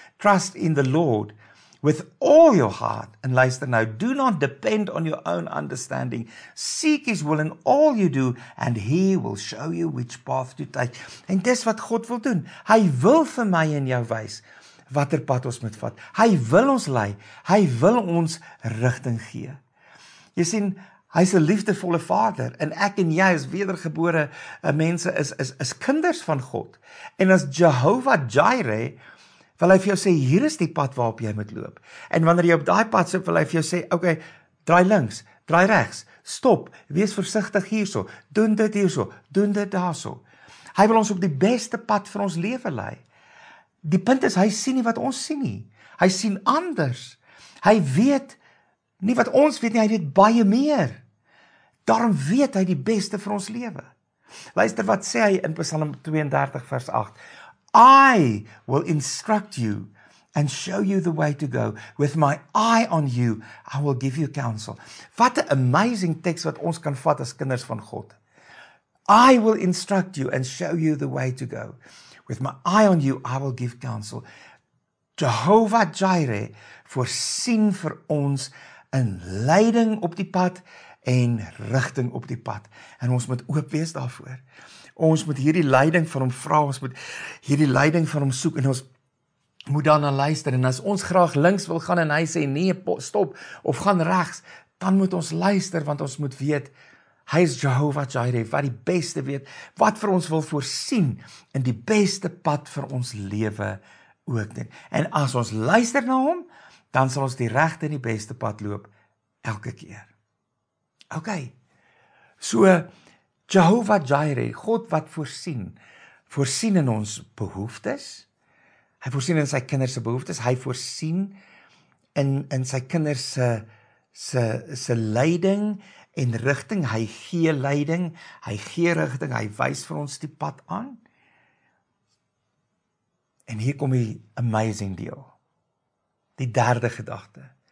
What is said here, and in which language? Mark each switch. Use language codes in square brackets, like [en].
[en] Trust in the Lord with all your heart and [af] luister nou, [en] do not depend on your own understanding. Seek his will in all you do and he will show you which path to take. [af] En dis wat God wil doen. Hy wil vir my en jou wys watter pad ons moet vat. Hy wil ons lei. Hy wil ons rigting gee. Jy sien, hy is 'n liefdevolle vader en ek en jy as wedergebore mense is kinders van God. En as Jehovah Jireh wil hy vir jou sê, hier is die pad waarop jy moet loop. En wanneer jy op daai pad sit, wil hy vir jou sê, oké, okay, draai links, draai regs, stop, wees versigtig hierso, doen dit hierso, doen dit daarso. Hy wil ons op die beste pad vir ons lewe lei. Die punt is, hy sien nie wat ons sien nie. Hy sien anders. Hy weet nie wat ons weet nie, hy weet baie meer. Daarom weet hy die beste vir ons lewe. Luister wat sê hy in Psalm 32 vers 8. [en] I will instruct you and show you the way to go. With my eye on you, I will give you counsel. [af] Wat 'n amazing teks wat ons kan vat as kinders van God. [en] I will instruct you and show you the way to go. With my eye on you, I will give counsel. [af] Jehovah Jireh voorsien vir ons in leiding op die pad en rigting op die pad. En ons moet oop wees daarvoor. Ons moet hierdie leiding van hom vra, ons moet hierdie leiding van hom soek en ons moet daarna luister. En as ons graag links wil gaan en hy sê nee, stop of gaan regs, dan moet ons luister want ons moet weet hy is Jehovah Jireh, wat die beste weet, wat vir ons wil voorsien in die beste pad vir ons lewe ook net. En as ons luister na hom, dan sal ons die regte en die beste pad loop elke keer. OK. So Jehovah Jireh, God wat voorsien, voorsien in ons behoeftes. Hy voorsien in sy kinders se behoeftes, hy voorsien in sy kinders se leiding en rigting, hy gee leiding, hy gee rigting, hy wys vir ons die pad aan. En hier kom die amazing deel. Die derde gedagte.